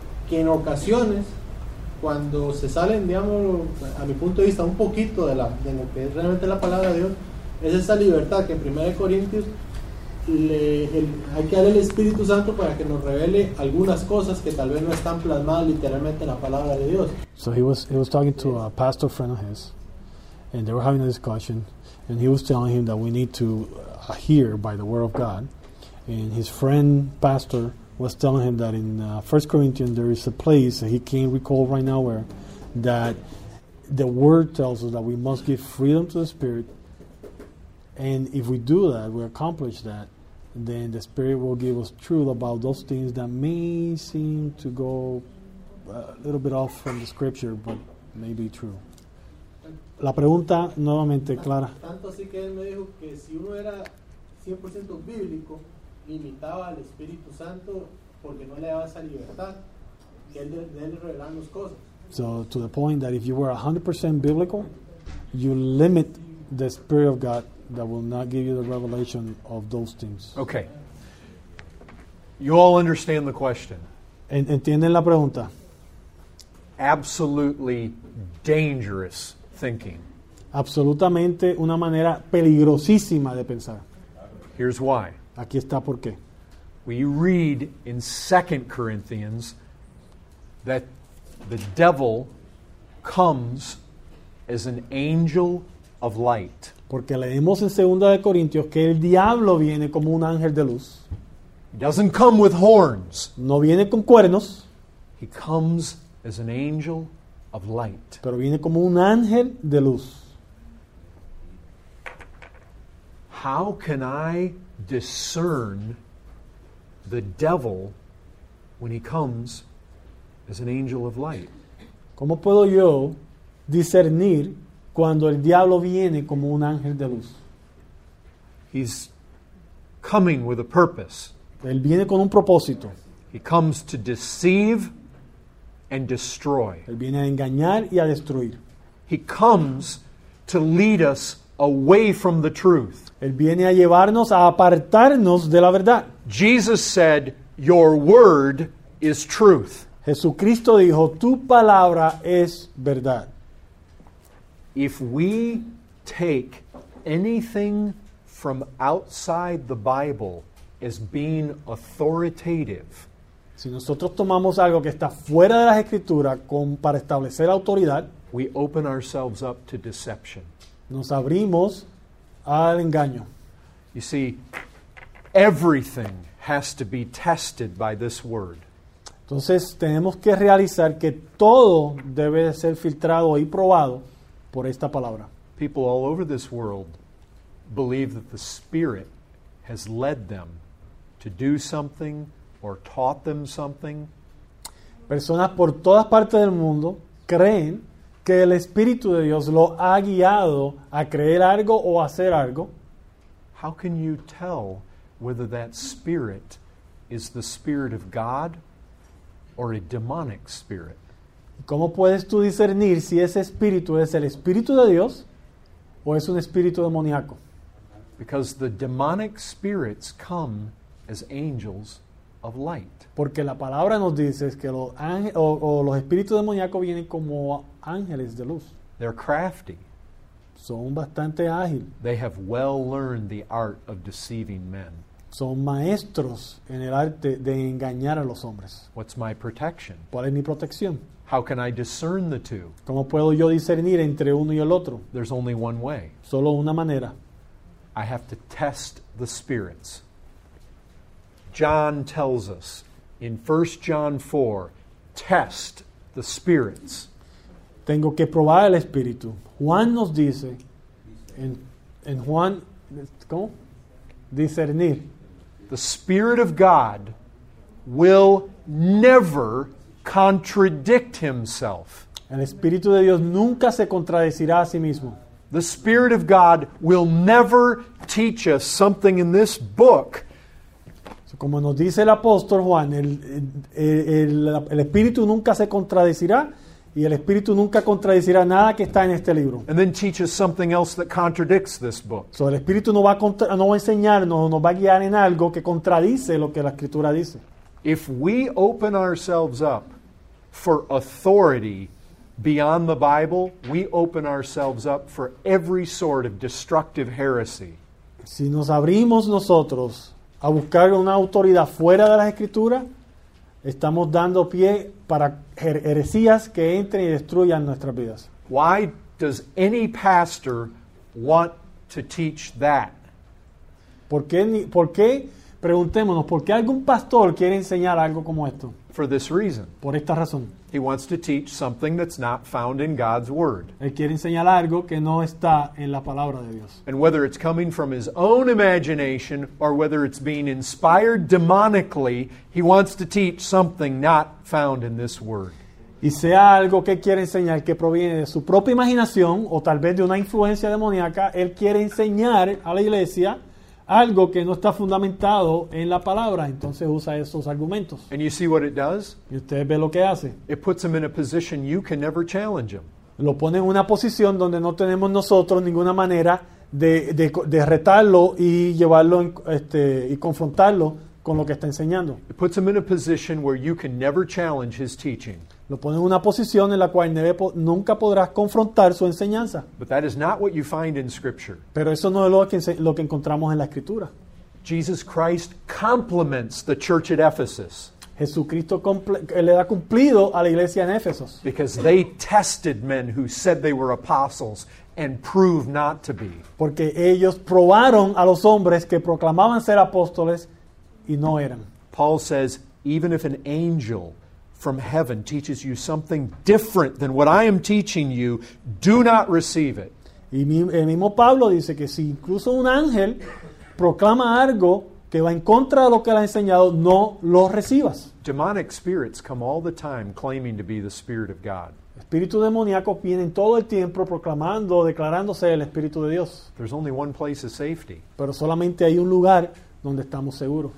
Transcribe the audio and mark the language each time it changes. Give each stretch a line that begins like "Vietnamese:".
Spanish: en ocasiones, cuando se salen, digamos, a mi punto de vista, un poquito de lo que es realmente la palabra de Dios, es esa libertad que en 1 Corintios hay que darle el Espíritu Santo para que nos revele algunas cosas que tal vez no están plasmadas literalmente en la palabra de Dios.
English: So he was talking to a pastor friend of his, and they were having a discussion, and he was telling him that we need to hear by the word of God, and his friend pastor was telling him that in 1 Corinthians there is a place that he can't recall right now where that the word tells us that we must give freedom to the Spirit, and if we do that, we accomplish that, then the Spirit will give us truth about those things that may seem to go a little bit off from the scripture but may be true.
Spanish: La pregunta nuevamente clara. Tanto así que él me dijo que si uno era 100% bíblico, limitaba al Espíritu Santo porque no le daba esa libertad que él de él revelaban las cosas.
English: So to the point that if you were 100% biblical, you limit the Spirit of God that will not give you the revelation of those things. Okay. You all understand the question.
Spanish: ¿Entienden la pregunta?
English: Absolutely dangerous thinking.
Spanish: Absolutamente una manera peligrosísima de pensar.
English: Here's why.
Spanish: Aquí está por qué.
English: We read in 2 Corinthians that the devil comes as an angel of light.
Spanish: Porque leemos en 2 de Corintios que el diablo viene como un ángel de luz.
English: He doesn't come with horns.
Spanish: No viene con cuernos.
English: He comes as an angel of light.
Spanish: Pero viene como un ángel de luz.
English: How can I discern the devil when he comes as an angel of light?
Spanish: ¿Cómo puedo yo discernir cuando el diablo viene como un ángel de luz?
English: He's coming with a purpose.
Spanish: Él viene con un propósito.
English: He comes to deceive and destroy.
Spanish: Él viene a engañar y a destruir.
English: He comes to lead us away from the truth.
Spanish: Él viene a llevarnos a apartarnos de la verdad.
English: Jesus said, "Your word is truth."
Spanish: Jesucristo dijo, "Tu palabra es verdad."
English: If we take anything from outside the Bible as being authoritative,
Spanish: si nosotros tomamos algo que está fuera de las Escrituras para establecer autoridad,
English: we open ourselves up to deception.
Spanish: Nos abrimos al engaño.
English: You see, everything has to be tested by this word.
Spanish: Entonces, tenemos que realizar que todo debe ser filtrado y probado por esta palabra.
English: People all over this world believe that the Spirit has led them to do something or taught them something.
Spanish: Personas por todas partes del mundo creen que el Espíritu de Dios lo ha guiado a creer algo o hacer algo.
English: How can you tell whether that spirit is the spirit of God or a demonic spirit?
Spanish: ¿Cómo puedes tú discernir si ese espíritu es el Espíritu de Dios o es un espíritu demoníaco?
English: Because the demonic spirits come as angels of light.
Spanish: Porque la palabra nos dice que los ángeles o los espíritus demoníacos vienen como ángeles de luz.
English: They're crafty.
Spanish: Son bastante ágiles.
English: They have well learned the art of deceiving men.
Spanish: Son maestros en el arte de engañar a los hombres.
English: What's my protection?
Spanish: ¿Cuál es mi protección?
English: How can I discern the two?
Spanish: ¿Cómo puedo yo discernir entre uno y el otro?
English: There's only one way.
Spanish: Solo una manera.
English: I have to test the spirits. John tells us in 1 John 4, test the spirits.
Spanish: Tengo que probar el espíritu. Juan nos dice, en Juan, ¿cómo? Discernir.
English: The Spirit of God will never contradict himself.
Spanish: El Espíritu de Dios nunca se contradecirá a sí mismo.
English: The Spirit of God will never teach us something in this book.
Spanish: Como nos dice el apóstol Juan, el Espíritu nunca se contradecirá y el Espíritu nunca contradecirá nada que está en este libro.
English: And then teach us something else that contradicts this book.
Spanish: So el Espíritu no va a enseñarnos, nos va a guiar en algo que contradice lo que la Escritura dice.
English: If we open ourselves up for authority beyond the Bible, we open ourselves up for every sort of destructive heresy.
Spanish: Si nos abrimos nosotros a buscar una autoridad fuera de las Escrituras, estamos dando pie para heresías que entren y destruyan nuestras vidas.
English: Why does any pastor want to teach that?
Spanish: ¿Por qué? Preguntémonos, ¿por qué algún pastor quiere enseñar algo como esto?
English: For this reason.
Spanish: Por esta razón.
English: He wants to teach something that's not found in God's Word.
Spanish: Él quiere enseñar algo que no está en la palabra de Dios.
English: And whether it's coming from his own imagination or whether it's being inspired demonically, he wants to teach something not found in this Word.
Spanish: Y sea algo que quiere enseñar que proviene de su propia imaginación o tal vez de una influencia demoníaca, él quiere enseñar a la iglesia algo que no está fundamentado en la palabra, entonces usa esos argumentos.
English: And you see what it does?
Spanish: Y usted ve lo que hace.
English: It puts him in a position you can never challenge him.
Spanish: Lo pone en una posición donde no tenemos nosotros ninguna manera de retarlo y llevarlo y confrontarlo con lo que está enseñando.
English: It puts him in a position where you can never challenge his teaching.
Spanish: Lo pone en una posición en la cual nunca podrás confrontar su enseñanza.
English: But that is not what you find in Scripture.
Spanish: Pero eso no es lo que encontramos en la Escritura.
English: Jesus Christ complements the church at Ephesus.
Spanish: Jesucristo le da cumplido a la iglesia en Éfeso.
English: Because they tested men who said they were apostles and proved not to be.
Spanish: Porque ellos probaron a los hombres que proclamaban ser apóstoles y no eran.
English: Paul says, even if an angel from heaven teaches you something different than what I am teaching you, do not receive it.
Spanish: Y el mismo Pablo dice que si incluso un ángel proclama algo que va en contra de lo que le ha enseñado, no lo recibas.
English: Demonic spirits come all the time claiming to be the Spirit of God.
Spanish: Espíritus demoníacos vienen todo el tiempo proclamando, declarándose el Espíritu de Dios.
English: There's only one place of safety.
Spanish: Pero solamente hay un lugar donde estamos seguros.